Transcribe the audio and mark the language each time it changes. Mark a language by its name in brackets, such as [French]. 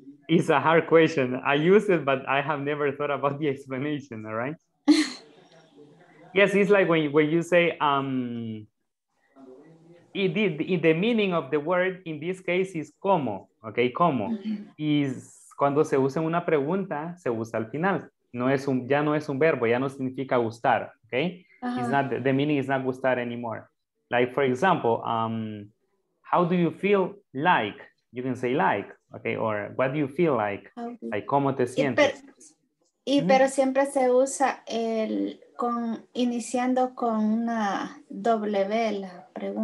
[English] It's a hard question. I use it, but I have never thought about the explanation, all right? Yes, it's like when you say, the meaning of the word in this case is como, okay, como. Mm-hmm. [Spanish] Is cuando se usa una pregunta, se usa al final. No es un, ya no es un verbo, ya no significa gustar, okay? Uh-huh. [English] It's not, the meaning is not gustar anymore. Like, for example, how do you feel like? You can say like, okay, or what do you feel like? [Spanish] Okay. Like, como te sientes? Pero siempre se usa el... iniciando con una doble V la pregunta.